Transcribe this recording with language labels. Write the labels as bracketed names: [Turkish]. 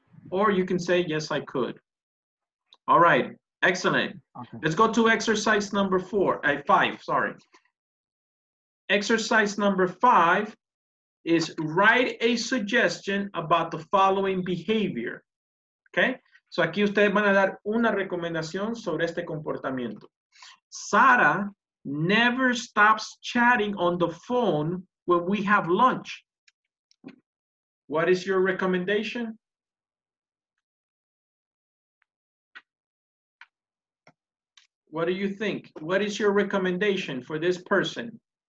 [English] Or you can say, yes, I could. All right. Excellent. Okay. Let's go to exercise number five. Exercise number five is write a suggestion about the following behavior. Okay? [Spanish] So aquí ustedes van a dar una recomendación sobre este comportamiento. [English] Sara never stops chatting on the phone when we have lunch. What is your recommendation? What do you think? What is your recommendation for this person?